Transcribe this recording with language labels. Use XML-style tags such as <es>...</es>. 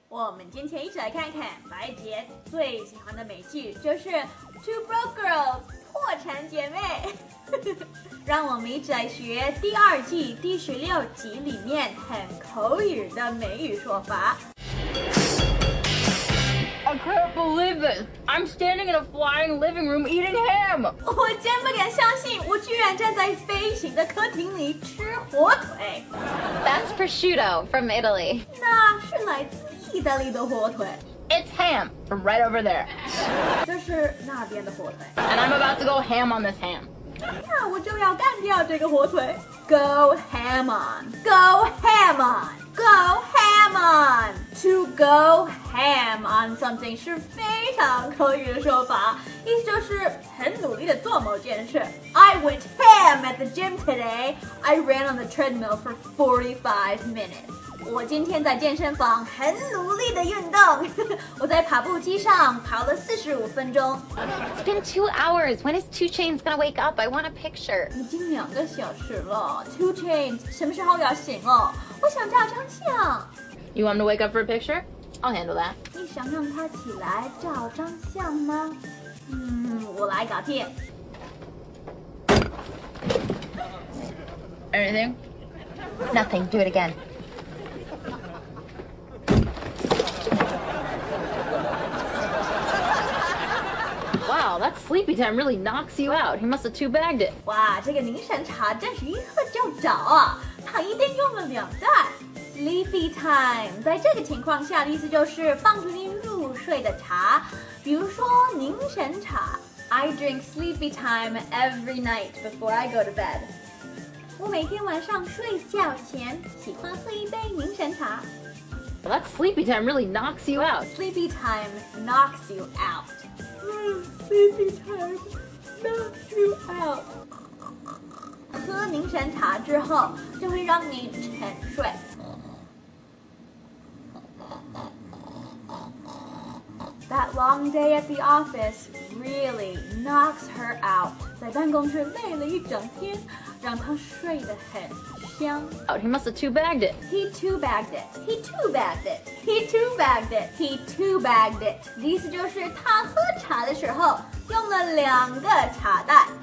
<zh>我们今天一起来看看白杰最喜欢的美剧，就是《Two Broke Girls》破产姐妹。让我们一起来学第二季第16集里面很口语的美语说法。</zh> <en>I can't believe this. I'm standing in a flying living room eating ham.</en> <zh>我真不敢相信，我居然站在飞行的客厅里吃火腿。</zh> <en>That's prosciutto from Italy.</en> <zh>那是来自意大利的火腿。</zh> <en>It's ham from right over there.</en> <zh>这是那边的火腿。</zh> <en>And I'm about to go ham on this ham.</en> <zh>那我就要干掉这个火腿。</zh> <en>Go ham on. Go ham on. Go ham on! To go ham on something</en> <zh>是非常口语的说法，意思就是很努力地做某件事。</zh> <en>I went ham at the gym today. I ran on the treadmill for 45 minutes.</en> <zh>我今天在健身房很努力地运动，我在跑步机上跑了45分钟。</zh> <en>It's been 2 hours. When is 2 Chainz gonna wake up? I want a picture.</en> <zh>已经2个小时了， 2 Chainz 什么时候要醒哦？我想照张相。</zh> <en>You want him to wake up for a picture? I'll handle that.</en> <zh>你想让他起来照张相吗？嗯，我来搞定。</zh> <en>Anything? Nothing. Do it again. Wow, that sleepy time really knocks you out. He must have two-bagged it.</en> <zh>哇，这个凝神茶真是一喝就着啊。他一定用了2袋 Sleepy time 在这个情况下的意思就是帮助您入睡的茶，比如说凝神茶。</zh> <en>I drink sleepy time every night before I go to bed.</en> <zh>我每天晚上睡觉前喜欢喝一杯凝神茶。</zh> <en>Well, that sleepy time really knocks you out. Sleepy time knocks you out. sleepy time, knock you out.</en> <zh>喝凝神茶之后，就会让你沉睡。</zh> <en>That long day at the office really knocks her out.</en> <zh>在办公室累了一整天，让她睡得很香。</zh> <en>Oh, he must have two-bagged it. He two-bagged it. He two-bagged it. He two-bagged it. He two-bagged it.</en> <zh>意思就是她喝茶的时候用了两个茶袋。</zh>